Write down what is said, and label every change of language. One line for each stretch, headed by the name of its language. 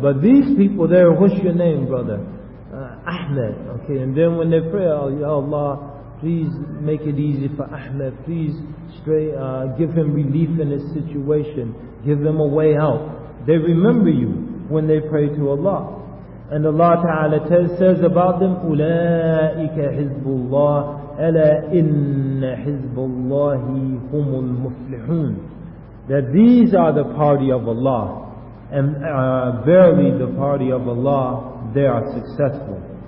English: But these people there, what's your name, brother? Ahmed. Okay, and then when they pray, oh, Ya Allah, please make it easy for Ahmed. Please give him relief in his situation. Give him a way out. They remember you when they pray to Allah. And Allah Ta'ala says about them,
Arabic: أُولَٰئِكَ حِزْبُ اللَّهِ أَلَا إِنَّ حِزْبُ اللَّهِ هُمُ الْمُفْلِحُونَ.
English: That these are the party of Allah. And verily the party of Allah, they are successful.